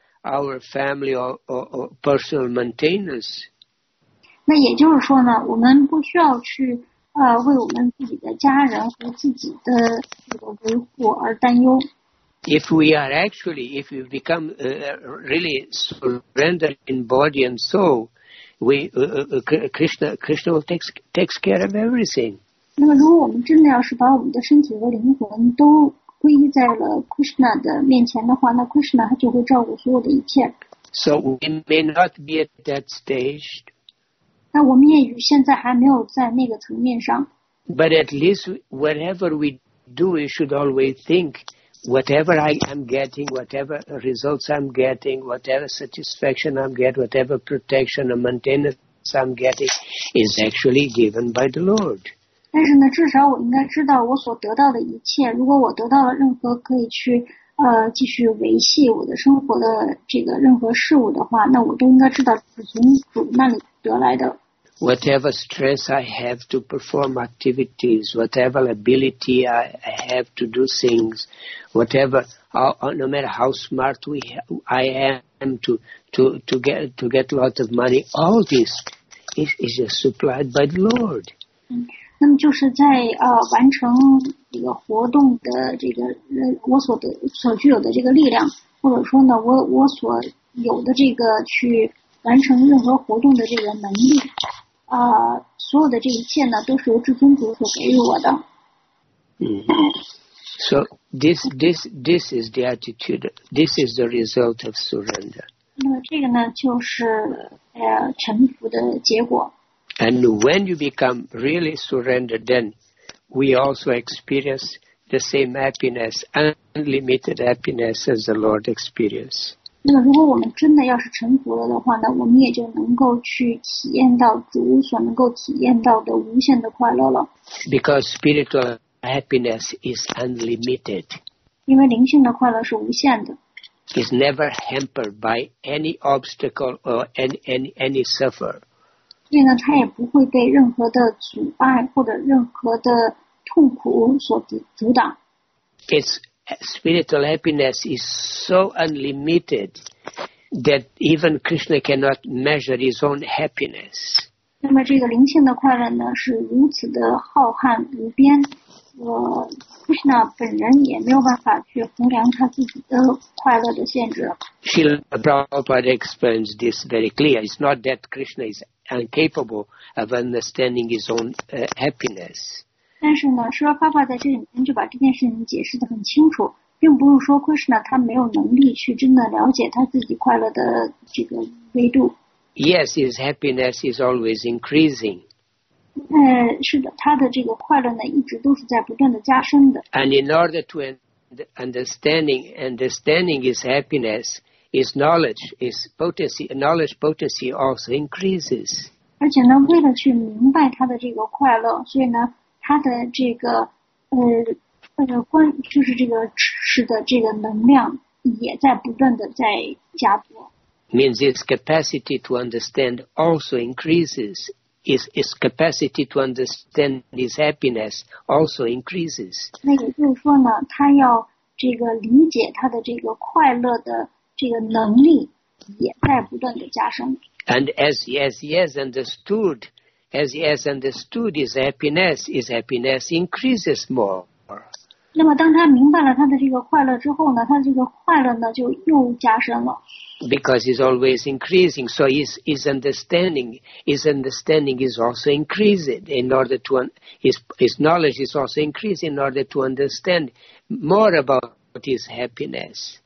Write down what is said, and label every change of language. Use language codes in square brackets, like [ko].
[en] Our family or personal maintenance. [zh] 那也就是说呢，我们不需要去为我们自己的家人和自己的这个维护而担忧。 [en] If we are actually, if we become really surrendered in body and soul, Krishna will takes care of everything. [zh] 那么，如果我们真的要是把我们的身体和灵魂都皈依在了 Krishna 的面前的话，那 Krishna 他就会照顾所有的一切。 [en] So we may not be at that stage. [zh] 那我们也现在还没有在那个层面上。 [en] But at least whatever we do, we should always think, whatever I am getting, whatever results I'm getting, whatever satisfaction I'm getting, whatever protection or maintenance I'm getting, is actually given by the Lord. [zh] 但是呢，至少我应该知道我所得到的一切。如果我得到了任何可以去继续维系我的生活的这个任何事物的话，那我都应该知道是从主那里得来的。 [en] Whatever stress I have to perform activities, whatever ability I have to do things, whatever, no matter how smart I am to get a lot of money, all this is just supplied by the Lord. [zh] 那么就是在完成这个活动的这个我所得所具有的这个力量，或者说呢我所有的这个去完成任何活动的这个能力。所有的这一切呢都是由至尊主所给予我的。 [en] So this is the attitude, this is the result of surrender. [zh] 那么这个呢就是臣服的结果。 [en] And when you become really surrendered, then we also experience the same happiness, unlimited happiness as the Lord experienced. [zh] 那么如果我们真的要是臣服了的话呢，我们也就能够去体验到主所能够体验到的无限的快乐了。 [en] Because spiritual happiness is unlimited. [zh] 因为灵性的快乐是无限的。 [en] It's never hampered by any obstacle or any suffer. [zh] 所以呢，它也不会被任何的阻碍或者任何的痛苦所阻挡。 [en] It's spiritual happiness is so unlimited that even Krishna cannot measure his own happiness. [zh] 那么这个灵性的快乐呢，是如此的浩瀚无边。 Krishna 本人也没有办法去衡量他自己的快乐的限制。 [en] Srila Prabhupada explains this very clear. It's not that Krishna is incapable of understanding his own happiness. [zh] 但是呢，说爸爸在这里面就把这件事情解释得很清楚，并不是说 Krishna 他没有能力去真的了解他自己快乐的这个维度。 [en] Yes, his happiness is always increasing. [zh] 是的，他的这个快乐呢，一直都是在不断的加深的。 [en] And in order to understanding his happiness, his knowledge, his potency, knowledge potency also increases. [zh] 而且呢，为了去明白他的这个快乐，所以呢。他的这个就是这个知识的这个能量也在不断的在加多。 [en] Means its capacity to understand also increases. Its capacity to understand his happiness also increases. [zh] 那也就是说呢，他要这个理解他的这个快乐的这个能力也在不断的加深。 [en] And as he has understood his happiness increases more. [zh] 那么当他明白了他的这个快乐之后呢，他的这个快乐呢就又加深了。 [en] Because he's always increasing, so his understanding is also increasing in order to, his knowledge is also increasing in order to understand more about his happiness.